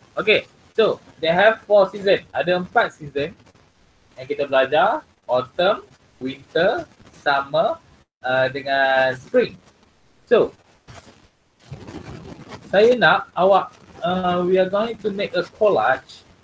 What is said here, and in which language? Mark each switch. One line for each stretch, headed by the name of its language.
English: Okay, so they have four season.
Malay: Ada empat season yang kita belajar.
English: Autumn, winter, summer dengan spring. So
Malay: saya nak awak,
English: we are going to make a collage.